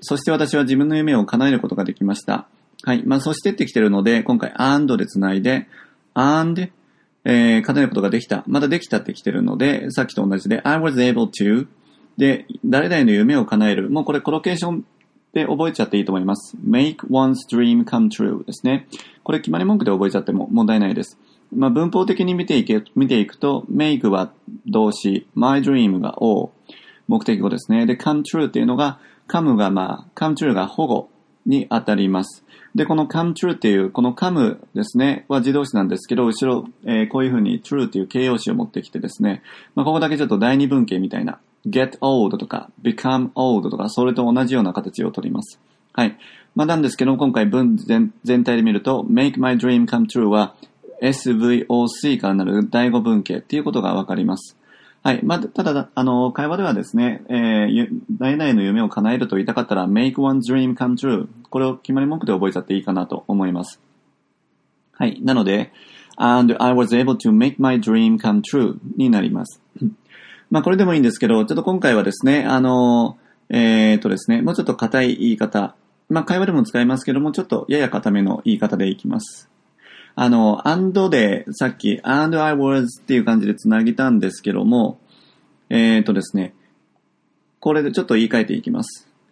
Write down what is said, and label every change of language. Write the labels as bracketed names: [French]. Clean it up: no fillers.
[Japanese] そして私は自分の夢を叶えることができました。はい。まあ、そしてって来てるので、今回 and でつないで、and、叶えることができた。まだできたって来てるので、さっきと同じで、 [English] I was able to [Japanese] で、誰々の夢を叶える。もうこれコロケーションで覚えちゃっていいと思います。 [English] make one's dream come true ですね。 [Japanese] これ決まり文句で覚えちゃっても問題ないです。まあ、文法的に見ていくと、make は動詞、 [English] my dream [Japanese] が O、目的語ですね。で、 [English] come true [Japanese] っていうのが、come がまあ、come true が保護にあたります。で、この come true っていう、この come ですね、は自動詞なんですけど、後ろ、こういうふうに true っていう形容詞を持ってきてですね、まあ、ここだけちょっと第二文型みたいな、 [English] get old [Japanese] とか、 [English] become old [Japanese] とか、それと同じような形をとります。はい。まあ、なんですけど、今回文全体で見ると、 [English] make my dream come true [Japanese] は、SVOC からなる第五文型っていうことがわかります。はい。まあ、ただ、会話ではですね、何々の夢を叶えると言いたかったら、 [English] make one dream come true。 [Japanese] これを決まり文句で覚えちゃっていいかなと思います。はい。なので、 [English] and I was able to make my dream come true [Japanese] になります。まあ、これでもいいんですけど、ちょっと今回はですね、ですね、もうちょっと固い言い方。まあ、会話でも使いますけども、ちょっとやや固めの言い方でいきます。 and で、さっき、 [English] and I was [Japanese] っていう感じでつなぎたんですけども、ですね、これでちょっと言い換えていきます。